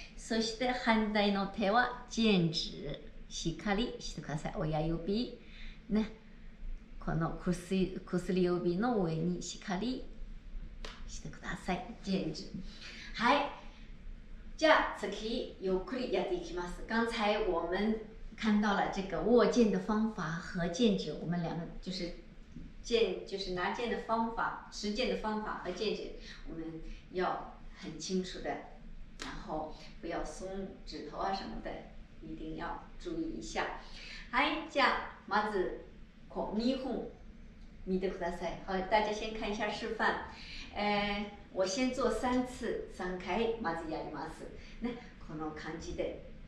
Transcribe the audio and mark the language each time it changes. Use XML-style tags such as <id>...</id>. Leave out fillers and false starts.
<ja>そして反対の手は剣指、しっかりしてください。親指、ね、この薬指の上にしっかりしてください。剣指。はい、じゃあ次ゆっくりやっていきます。</ja> <zh>刚才我们看到了这个握剑的方法和剑指，我们两个就是剑，就是拿剑的方法、持剑的方法和剑指，我们要很清楚的，然后不要松指头啊什么的，一定要注意一下。</zh> <ja>はい、じゃあまずこう見本見てください。</ja> <zh>好，大家先看一下示范。我先做三次、</zh> <ja>三回まずやります。ね、この感じで。</ja>